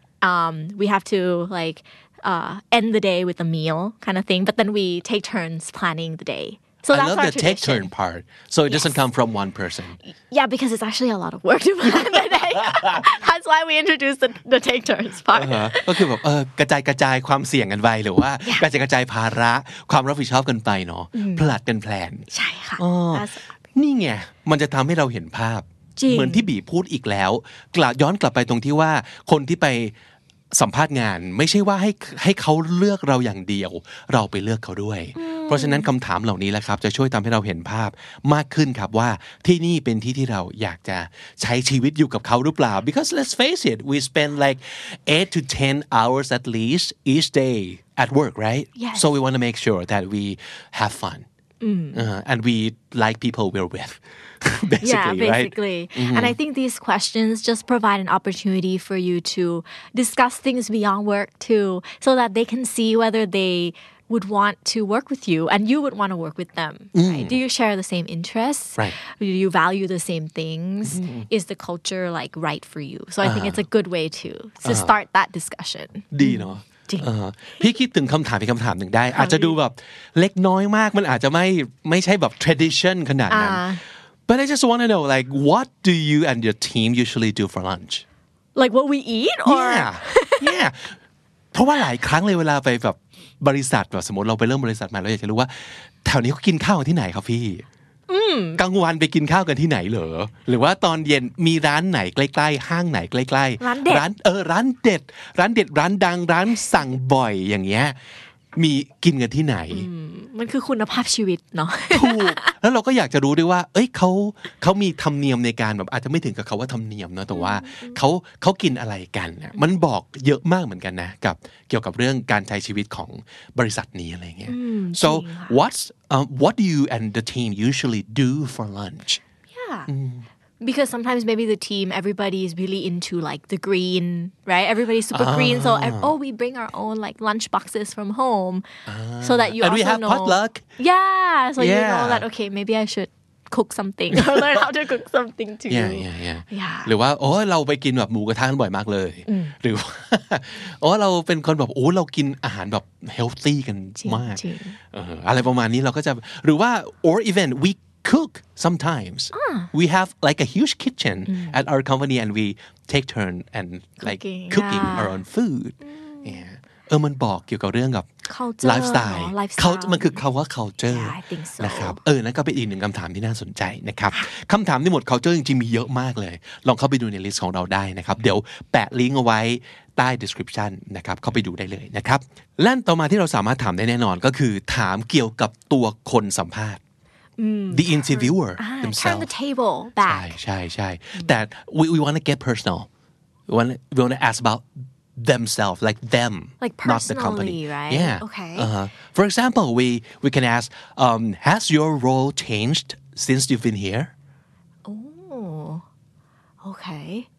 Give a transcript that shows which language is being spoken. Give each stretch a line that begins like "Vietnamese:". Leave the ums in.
English: um, we have to like uh, end the day with a meal kind of thing. But then we take turns planning the day. So I love the t a k e turn part. So it yes. doesn't come from one person. Yeah, because it's actually a lot of work to plan the day. that's why we introduced the, the take turns part.
Thai: ก็คือแบบเออกระจายกระจายความเสี่ยงกันไปหรือว่า กระจายกระจายภาระ ความรับผิดชอบกันไปเนาะผลัดกันแพลน ใช่ค่ะ นี่ไงมันจะทำให้เราเห็นภาพ เหมือนที่บีพูดอีกแล้ว กลับย้อนกลับไปตรงที่ว่าคนที่ไปสัมภาษณ์งานไม่ใช่ว่าให้ให้เขาเลือกเราอย่างเดียว เราไปเลือกเขาด้วย เพราะฉะนั้นคำถามเหล่านี้แหละครับจะช่วยทำให้เราเห็นภาพมากขึ้นครับว่าที่นี่เป็นที่ที่เราอยากจะใช้ชีวิตอยู่กับเขาหรือเปล่า
English: because let's face it we spend like e i g h to t ten hours at least each day at work right yes. so we want to make sure that we have fun mm. uh, and we like people we're with yeah, basically. And I think these questions just provide an opportunity for you to discuss things beyond work too, so that they can see whether they would want to work with you and you would want to work with them. Do you share the same interests? Do you value the same things? Is the culture like right for you? So I think it's a good way to, to start that discussion. Dino. Mm.
Thai: พี่คิดถึงคำถามพี่คำถามหนึ่งได้อาจจะดูแบบเล็กน้อยมากมันอาจจะไม่ไม่ใช่แบบ tradition ขนาดนั้น
English: But I just want to know, like, what do you and your team usually do for lunch? Like what we eat? Or... Yeah, yeah.
Thai: เพราะว่าหลายครั้งเลยเวลาไปแบบบริษัทแบบสมมติเราไปเริ่มบริษัทใหม่เราอยากจะรู้ว่าแถวนี้เขากินข้าวที่ไหนครับพี่กลางวันไปกินข้าวกันที่ไหนเหรอ หรือว่าตอนเย็นมีร้านไหนใกล้ ๆ ห้างไหนใกล้ๆร้านเด็ดร้านเออร้านเด็ด ร้านเด็ดร้านดังร้านสั่งบ่อยอย่างเงี้ยมีกินกันที่ไหน มันคือคุณภาพชีวิตเนาะ ถู ก แล้วเราก็อยากจะรู้ด้วยว่า เอ้ยเขาเขามีธรรมเนียมในการแบบอาจจะไม่ถึงกับเขาว่าธรรมเนียมเนาะ แต่ว่าเขาเขากินอะไรกันเนี่ยมันบอกเยอะมากเหมือนกันนะ กับ เกี่ยวกับเรื่องการใช้ชีวิตของบริษัทนี้อะไรเงี้ย
English: so w h a t what do you and the team usually do for lunch because sometimes maybe the team everybody is really into like the green right everybody's super uh, green so oh we bring our own like lunch boxes from home uh, so that you and also we have know, potluck yeah so yeah. you know that okay maybe i should cook something or learn how to cook something too yeah yeah yeah
Thai: yeah หรือว่าโอ้เราไปกินแบบหมูกระทะกันบ่อยมากเลยหรือว่าโอ้เราเป็นคนแบบโอ้เรากินอาหารแบบเฮลตี้กันมากอะไรประมาณนี้เราก็จะหรือว่า
English: or event week cook sometimes. Uh. We have like a huge kitchen mm. at our company and we take turn and cooking, like cooking yeah. our own food. Mm. Yeah.
Thai: เออมันบอกเกี่ยวกับเรื่องกับ ไลฟ์สไตล์เขา มันคือคาว่า culture นะครับเออนั่นก็เป็นอีกหนึ่งคำถามที่น่าสนใจนะครับคำถามที่หมด culture จริงๆมีเยอะมากเลยลองเข้าไปดูในลิสต์ของเราได้นะครับเดี๋ยวแปะลิงก์เอาไว้ใต้ description นะครับเข้าไปดูได้เลยนะครับและต่อมาที่เราสามารถถามได้แน่นอนก็คือถามเกี่ยวกับตัวคนสัมภาษณ
English: Mm, the interviewer pers- ah, themselves. Turn the table back.
Thai: ใช่ใช่ใช่
English: mm-hmm. That we we want to get personal. We want we want to ask about themselves, like them, like not the company, right? Yeah. Okay. Uh-huh. For example, we we can ask, um, has your role changed since you've been here? Oh, okay.